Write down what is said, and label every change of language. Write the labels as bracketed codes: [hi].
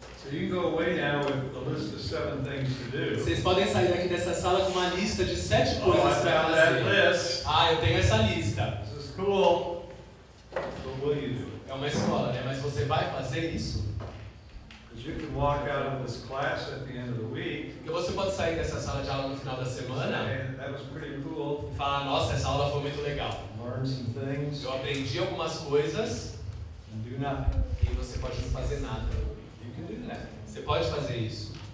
[en] You can go away now with a list of 7 things to do. [pt] Vocês podem sair daqui dessa sala com uma lista de 7 coisas para fazer. [en] That list. [pt] Ah, eu tenho essa lista. [en] This is cool. But will you do? [pt] É uma escola, né? Mas você vai fazer isso? [en] You can walk out of this class at the end of the week. [pt] Que você pode sair dessa sala de aula no final da semana. [en] That was pretty cool. [pt] E falar, nossa, essa aula foi muito legal. [en] Learn some things. [pt] Eu aprendi algumas coisas. [en] And do nothing. [pt] E você pode não fazer nada. [en] You can do that. [pt] Você pode fazer isso.